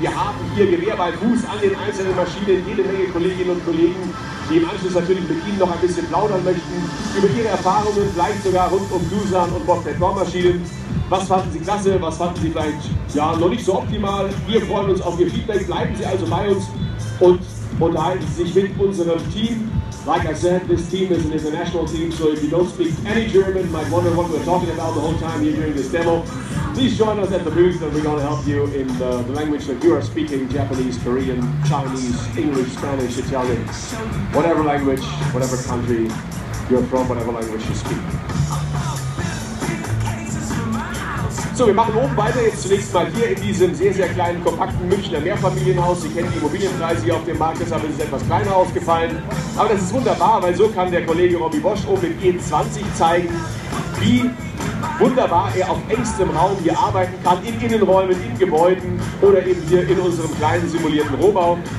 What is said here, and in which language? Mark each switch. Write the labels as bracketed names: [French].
[German] Wir haben hier Gewehr bei Fuß an den einzelnen Maschinen, jede Menge Kolleginnen und Kollegen, die im Anschluss natürlich mit Ihnen noch ein bisschen plaudern möchten über Ihre Erfahrungen, vielleicht sogar rund um Doosan und Bobcat Baumaschinen. Was fanden Sie klasse, was fanden Sie vielleicht ja noch nicht so optimal? Wir freuen uns auf Ihr Feedback, bleiben Sie also bei uns und unterhalten Sie sich mit unserem Team. [English] Like I said, this team is an international team, so if you don't speak any German, you might wonder what we're talking about the whole time here during this demo. Please join us at the booth and we're going to help you in the language that you are speaking, Japanese, Korean, Chinese, English, Spanish, Italian, whatever language, whatever country you're from, whatever language you speak. [German] So, wir machen oben weiter jetzt zunächst mal hier in diesem sehr, sehr kleinen, kompakten Münchner Mehrfamilienhaus. Sie kennen die Immobilienpreise hier auf dem Markt, deshalb ist es etwas kleiner aufgefallen. Aber das ist wunderbar, weil so kann der Kollege Robby Bosch oben im E20 zeigen, wie wunderbar er auf engstem Raum hier arbeiten kann, in Innenräumen, in Gebäuden oder eben hier in unserem kleinen simulierten Rohbau.